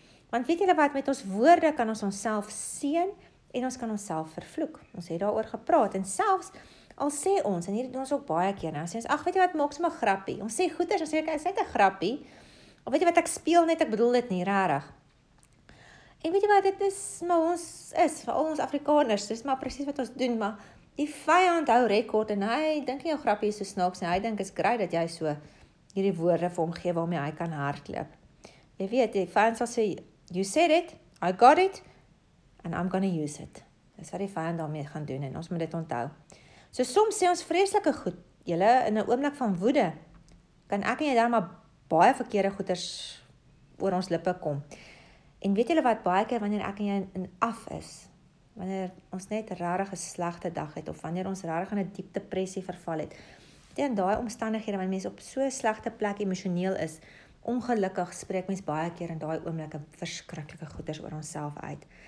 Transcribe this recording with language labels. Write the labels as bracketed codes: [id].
[af] Want weet julle wat, met ons woorde kan ons onsself seën en ons kan onsself vervloek. Ons het daaroor gepraat en selfs al sê ons en hier doen ons ook baie keer nou, sê ons, ag weet jy wat, maak sommer 'n grappie. Ons sê goeters, ons sê ek is net 'n grappie. Of weet jy wat, ek speel net, ek bedoel dit nie regtig. En weet jy wat, dit is maar ons is vir al ons Afrikaners, dis maar presies wat ons doen, maar die vyand hou rekord en hy dink nie jou grappie is so snaaks nie. Hy dink is grait dat jy so hierdie woorde vir hom gee waarmee hy kan hardloop. Jy weet, die vyand sal sê, [en] you said it, I got it, and I'm gonna use it. [af] Dis wat die vyand daarmee gaan doen en ons moet dit onthou. So soms sê ons vreeslike goed, julle in 'n oomblik van woede, kan ek en jy daar maar baie verkeerde goeders oor ons lippe kom. En weet julle wat, baie keer wanneer ek en jy in af is, wanneer ons net regtig 'n slegte dag het, of wanneer ons regtig in 'n diep depressie verval het, teen daai omstandighede, wanneer mense op so 'n slegte plek emosioneel is, ongelukkig spreek mense baie keer in daai oomblikke verskriklike goeders oor onsself uit.